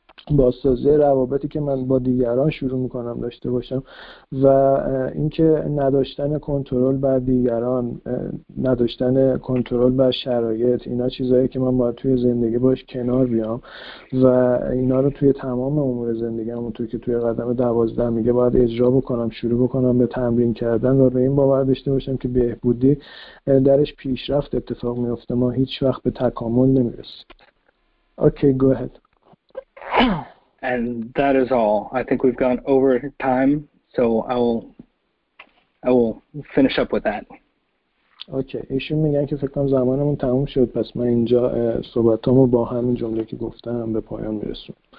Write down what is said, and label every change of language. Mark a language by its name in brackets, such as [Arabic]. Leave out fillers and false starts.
[Persian] بازسازی روابطی که من با دیگران شروع میکنم داشته باشم، و اینکه نداشتن کنترل بر دیگران، نداشتن کنترل بر شرایط، اینا چیزهایی که من باید توی زندگی باش کنار بیام و اینا رو توی تمام امور زندگیم اونطور که توی قدم 12 میگه باید اجرا بکنم، شروع بکنم به تمرین کردن و به این باور داشته باشم که بهبودی درش پیشرفت اتفاق میفته، ما هیچ وقت به تکامل نمیرسیم. [English] Okay, go ahead. And that is all. I think we've gone over time, so I will finish up with that. Okay. [Persian] ایشون میگن که فکر کنم زمانمون تموم شد، پس من اینجا صحبتامو با همین جمله که گفتم به پایان میرسونم.